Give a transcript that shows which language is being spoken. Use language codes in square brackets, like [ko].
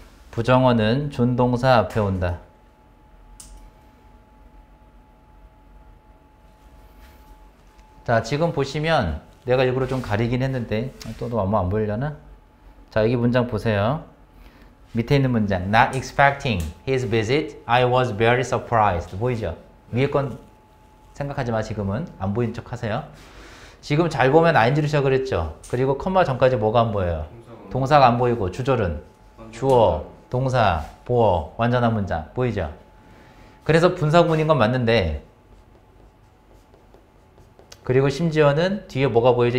[ko] 부정어는 준동사 앞에 온다. 자, 지금 보시면 내가 일부러 좀 가리긴 했는데 또 아무 안 보이려나? 자, 여기 문장 보세요. 밑에 있는 문장. [en] Not expecting his visit, I was very surprised. [ko] 보이죠? 위에 건 생각하지 마, 지금은. 안 보인 척 하세요. 지금 잘 보면 ing로 시작을 했죠. 그리고 콤마 전까지 뭐가 안 보여요? 동사가 안 보이고 주절은? 주어, 동사, 보어, 완전한 문장. 보이죠? 그래서 분사구문인 건 맞는데 그리고 심지어는 뒤에 뭐가 보이죠?